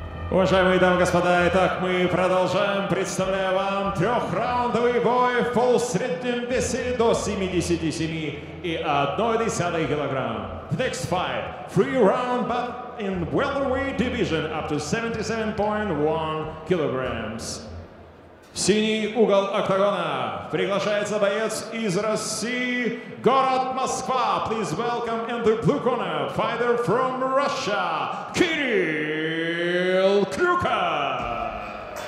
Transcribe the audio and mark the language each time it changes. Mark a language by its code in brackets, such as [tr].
[ru] Уважаемые дамы и господа, итак, мы продолжаем. Представляю вам трехраундовый бой в полусреднем весе до 77,1 килограмм. [en] Next fight. Three round, but in welterweight division up to 77.1 kilograms. [ru] В синий угол октагона приглашается боец из России, город Москва. [en] Please welcome in the blue corner, fighter from Russia, Кирилл Крюка.